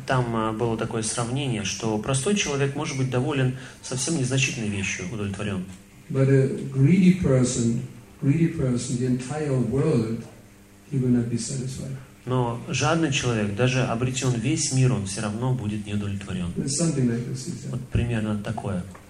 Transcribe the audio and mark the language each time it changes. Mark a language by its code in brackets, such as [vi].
[ru] Там было такое сравнение, что простой человек может быть доволен совсем незначительной вещью, удовлетворен. [en] But a greedy person, the entire world, he will not be satisfied. [ru] Но жадный человек, даже обретен весь мир, он все равно будет неудовлетворен. Вот примерно такое.